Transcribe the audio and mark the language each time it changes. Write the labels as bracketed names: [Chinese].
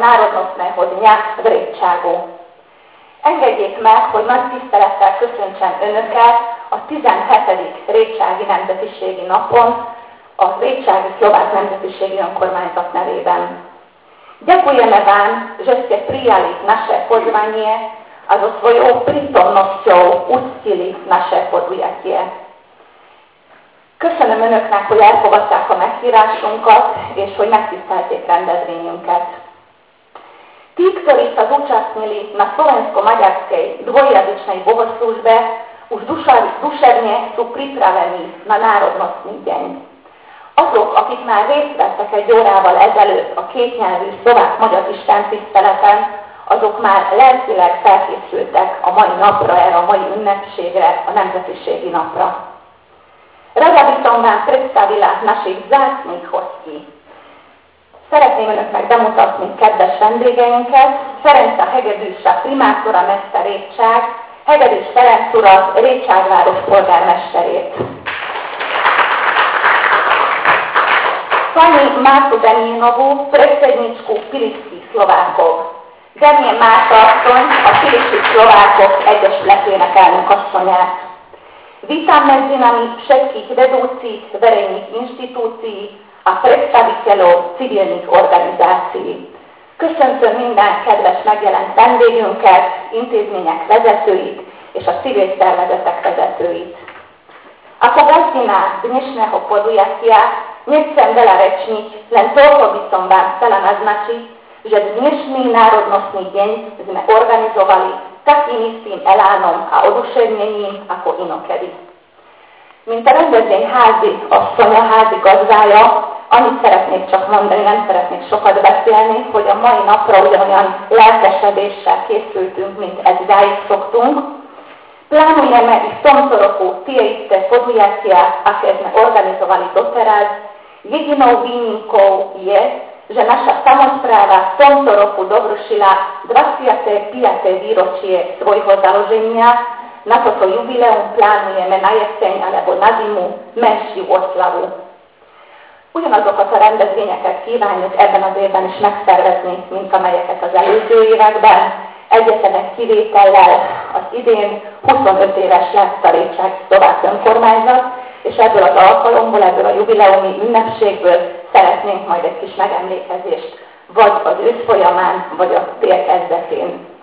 [Slovak] národnostného dňa v Rejcságu. [Hungarian] Engedjék meg, hogy nagy tisztelettel köszöntsem önöket a 17. Rejcsági Nemzetiségi Napon, a Rejcsági Szlovák Nemzetiségi Önkormányzat nevében. [Slovak] Ďakujeme vám, že ste prijali naše pozvanie a so svojou prítomnosťou uctili naše podujatie. [Hungarian] Köszönöm önöknek, hogy elfogadták a meghívásunkat, és hogy megtisztelték rendezvényünket. [Slovak] Tí, ktorí sa zúčastnili na slovensko-maďarskej dvojjazyčnej bohoslúžbe, už duševne sú pripravení na národnostný deň. [Hungarian] Azok, akik már részt vettek egy órával ezelőtt a kétnyelvű szlovák-magyar istentiszteleten, azok már lelkileg felkészültek a mai napra, erre a mai ünnepségre, a nemzetiségi napra. [Slovak] Rada by som vám predstavila našich zácnych hostí. [Hungarian] Szeretném önöknek bemutatni kedves vendégeinket, [Slovak] Ferenca Hegedűsa primátora Mester Rétság, [Hungarian] Hegedűs Ferenc urat, Rétságváros polgármesterét. [Slovak] Pani Mártu Danilovu, predsedničku Pilisských Slovákov. [Hungarian] Demie Márta asszony, a Pilisských Slovákov egyesületének elnökasszonyát. [Slovak] Vítam medzi nami všetkých vedúcich verejných inštitúcií a predstaviteľov civilných organizácií. [Hungarian] Köszöntöm minden kedves megjelent vendégünket, intézmények vezetőit és a civil szervezetek vezetőit. [Slovak] Ako gazdina dnešného podujatia, nechcem veľa rečniť, len toľko by som vám chcela naznačiť, že dnešný národnostný deň sme organizovali takým istým elánom a oduševnením ako inokedy. [Hungarian] Mint a rendezvény házi asszony, a házi gazdája, annyit szeretnék csak mondani, nem szeretnék sokat beszélni, hogy a mai napra ugyanolyan lelkesedéssel készültünk, mint eddig szoktunk. [Slovak] Plánujeme i v tomto roku tie isté podujatia, aké sme organizovali doteraz. Jedinou výnimkou je, že naša samospráva v tomto roku dovršila 25. výročie svojho založenia, na toto jubileum plánujeme na jeseň alebo na zimu menšiu oslavu. [Hungarian] Ugyanazokat a rendezvényeket kívánjuk ebben az évben is megszervezni, mint amelyeket az előző években. Egyetlen egy kivétellel az idén 25 éves lett a Rétság Szlovák Önkormányzat, és ebből az alkalomból, ebből a jubileumi ünnepségből szeretnénk majd egy kis megemlékezést, vagy az ősz folyamán, vagy a tél kezdetén.